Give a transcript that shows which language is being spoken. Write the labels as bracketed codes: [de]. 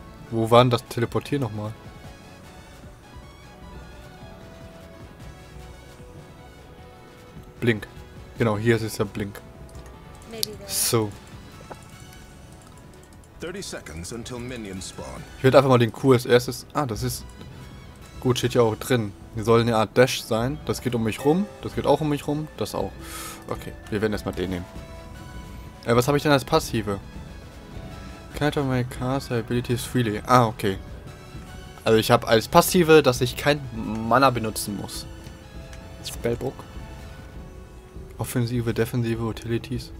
[de] Wo war denn das Teleportieren nochmal? Blink. Genau, hier ist es ja Blink. So. [en] 30 seconds until minions spawn. [de] Ich werde einfach mal den Q als erstes. Ah, das ist. Gut, steht ja auch drin. Die soll eine Art Dash sein. Das geht um mich rum. Das geht auch um mich rum. Das auch. Okay, wir werden erstmal den nehmen. Was habe ich denn als Passive? [en] Counter my cast abilities freely. [de] Ah, okay. Also ich habe als Passive, dass ich kein Mana benutzen muss. [en] Spellbook. Offensive, defensive Utilities.